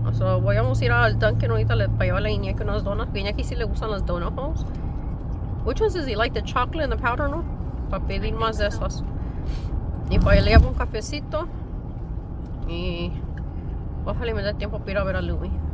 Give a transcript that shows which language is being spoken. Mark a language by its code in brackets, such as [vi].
[es] So, voy a ir al Dunkin' ahorita para llevarle a Iñaki unas donas. Iñaki sí le gustan las donut holes. [en] Which ones does he like? The chocolate and the powder, [es] no? Para pedir más de esas. Y para le llevo un cafecito. Y ojalá me dé tiempo para ir a ver a Louis.